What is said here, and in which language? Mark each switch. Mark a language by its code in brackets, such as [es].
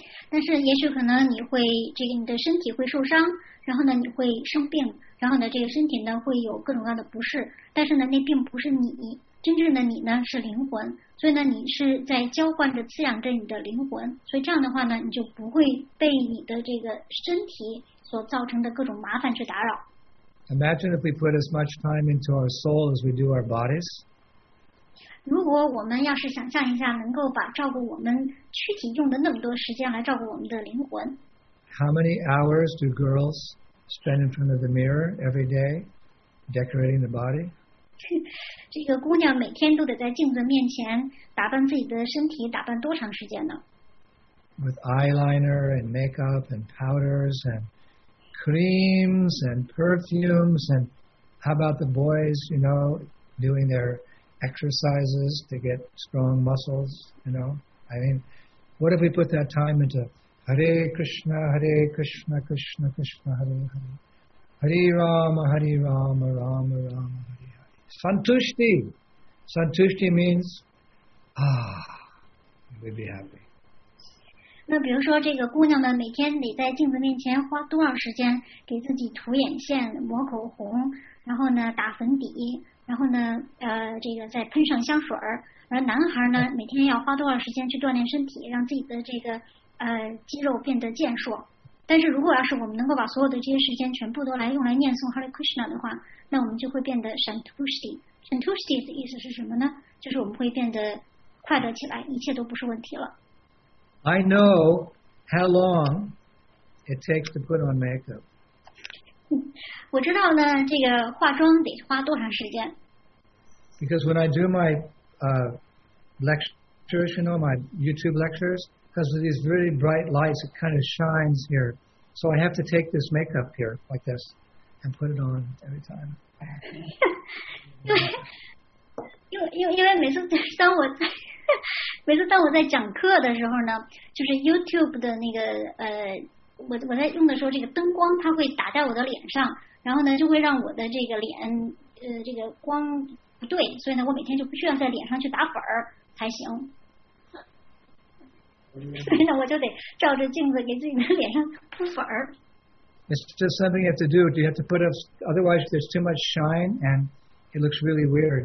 [zh] 但是也许可能你会这个你的身体会受伤，然后呢你会生病，然后呢这个身体呢会有各种各样的不适，但是呢那并不是你，真正的你呢是灵魂，所以呢你是在浇灌着滋养着你的灵魂，所以这样的话呢你就不会被你的这个身体所造成的各种麻烦去打扰。 [en] Imagine if we put as much time into our soul as we do our bodies. [zh] 如果我们要是想象一下能够把照顾我们躯体用的那么多时间来照顾我们的灵魂。 [en] How many hours do girls spend in front of the mirror every day decorating the body? [zh] 这个姑娘每天都得在镜子面前打扮自己的身体，打扮多长时间呢？ [en] With eyeliner and makeup and powders and creams and perfumes and how about the boys, you know, doing their exercises to get strong muscles, you know? I mean, what if we put that time into Hare Krishna, Hare Krishna, Krishna Krishna, Hare Hare, Hare Rama, Hare Rama, Rama Rama, Hare Hare. Santushti. Santushti means, we'd be happy. [zh] 那比如说这个姑娘呢每天得在镜子面前花多少时间给自己涂眼线抹口红然后呢打粉底然后呢这个再喷上香水而男孩呢每天要花多少时间去锻炼身体让自己的这个肌肉变得健硕。但是如果要是我们能够把所有的这些时间全部都来用来念诵 Hare Krishna 的话那我们就会变得 Santushti 是什么呢就是我们会变得快乐起来，一切都不是问题了。 [en] I know how long it takes to put on makeup. [zh] 我知道呢，这个化妆得花多长时间。 [en] Because when I do my lectures, you know, my YouTube lectures, because of these really bright lights, it kind of shines here. So I have to take this makeup here like this and put it on every time. [zh] 因为每次当我在讲课的时候呢，就是 YouTube 的那个我在用的时候，这个灯光它会打在我的脸上，然后呢就会让我的这个脸这个光不对，所以呢我每天就必须要在脸上去打粉儿才行。所以呢我就得照着镜子给自己的脸上铺粉儿。 [en] It's just something you have to do. You have to put up, otherwise there's too much shine and it looks really weird.